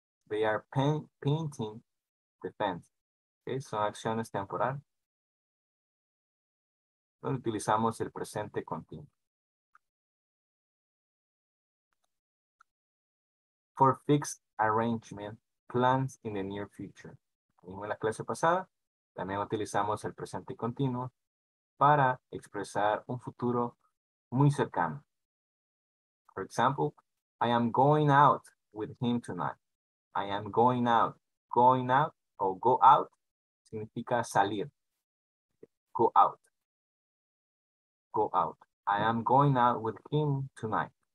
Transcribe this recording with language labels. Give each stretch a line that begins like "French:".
English: They are painting the fence. Okay,
Spanish: son acciones temporales. Donde utilizamos el presente continuo.
English: For fixed arrangement plans in the near future.
Spanish: En la clase pasada, también utilizamos el presente continuo para expresar un futuro muy cercano.
English: For example, I am going out with him tonight. I am going out. Going out o go out.
Spanish: Significa salir.
English: Go out. Go out. I am going out with him tonight.